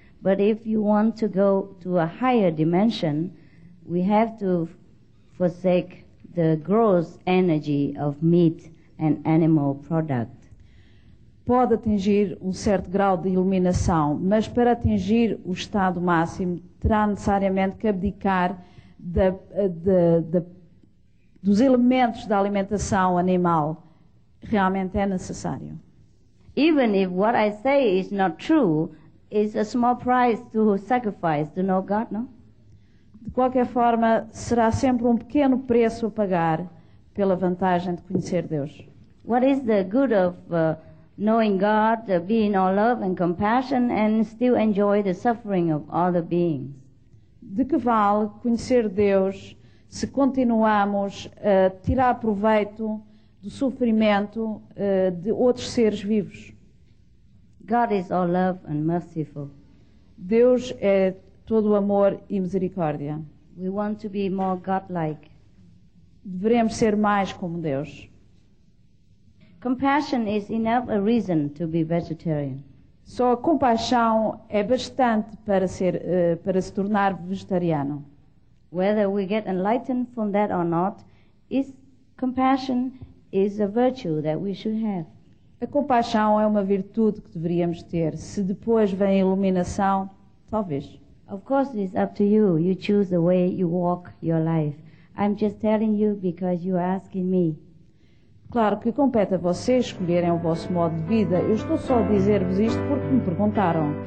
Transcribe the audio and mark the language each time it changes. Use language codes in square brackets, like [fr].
[en] But if you want to go to a higher dimension, we have to forsake the gross energy of meat and animal product. [pt] Pode atingir certo grau de iluminação, mas para atingir o estado máximo, terá necessariamente que abdicar dos elementos da alimentação animal. Realmente é necessário. [en] Even if what I say is not true, it's a small price to sacrifice to know God, no? [pt] De qualquer forma, será sempre pequeno preço a pagar pela vantagem de conhecer Deus. [en] What is the good of knowing God, being all love and compassion, and still enjoy the suffering of other beings? [pt] De que vale conhecer Deus se continuamos a tirar proveito do sofrimento de outros seres vivos? [en] God is all love and merciful. [pt] Deus é todo amor e misericórdia. [en] We want to be more God-like. [pt] Deveremos ser mais como Deus. [en] Compassion is enough a reason to be vegetarian. [pt] Só a compaixão é bastante para se tornar vegetariano. [en] Whether we get enlightened from that or not, compassion is a virtue that we should have. [pt] A compaixão é uma virtude que deveríamos ter. Se depois vem a iluminação, talvez. [en] Of course it's up to you. You choose the way you walk your life. I'm just telling you because you are asking me. [pt] Claro que compete a vocês escolherem o vosso modo de vida. Eu estou só a dizer-vos isto porque me perguntaram.